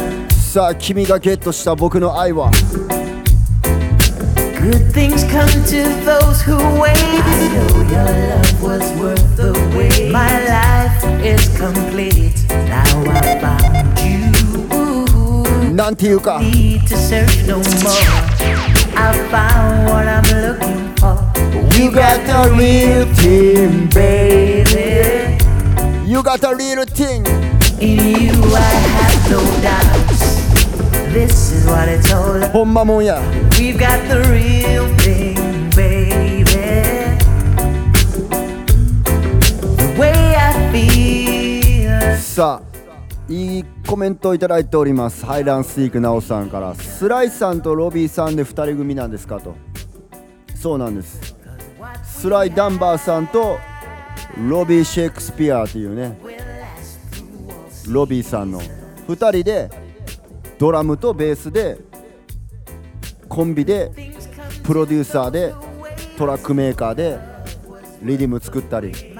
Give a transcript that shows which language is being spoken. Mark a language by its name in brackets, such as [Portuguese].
[Japanese] さあ君がゲットした僕の愛は [English] Good things come to those who wait I know your love was worth the wait My life is complete Now I found you [Japanese] なんていうか [English] Need to search no more I found what I'm looking for You got the real thing, baby You got the real thing In you I have no doubts This is what it's all about [Japanese] ほんまもんや [English] We've got the real thing, baby The way I feel [Japanese] さあいいコメントをいただいております。ハイランスイークナオさんから、スライさんとロビーさんで2人組なんですかと。そうなんです、スライ・ダンバーさんとロビー・シェイクスピアーというね、ロビーさんの2人でドラムとベースでコンビでプロデューサーでトラックメーカーでリディム作ったり、